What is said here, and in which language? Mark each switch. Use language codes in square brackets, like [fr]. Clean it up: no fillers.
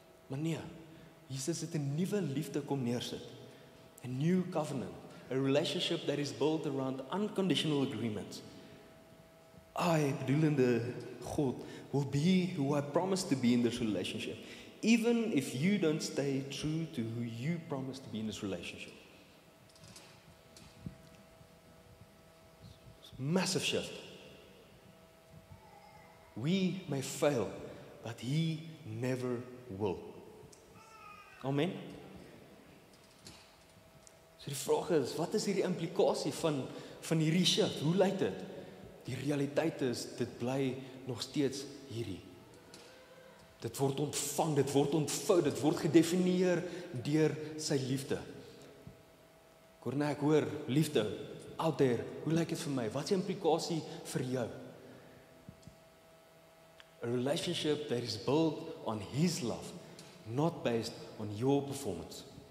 [af] Maar nee, Jesus het 'n nuwe liefde kom neersit. [en] A new covenant. A relationship that is built around unconditional agreements. I, [af] bedoelende God, [en] will be who I promise to be in this relationship, even if you don't stay true to who you promise to be in this relationship. Massive shift. We may fail, but He never will. Amen. [af] So die vraag is, wat is hierdie implikasie van hierdie shift? Hoe lyk dit? Die realiteit is, dit bly nog steeds hierdie. Dit word ontvang, dit word ontvou, dit word gedefinieer deur sy liefde. Corne, ek hoor, liefde, [en] out there, [af] hoe lyk dit vir my? Wat is die implikasie vir jou? [en] A relationship that is built on his love, not based on your performance.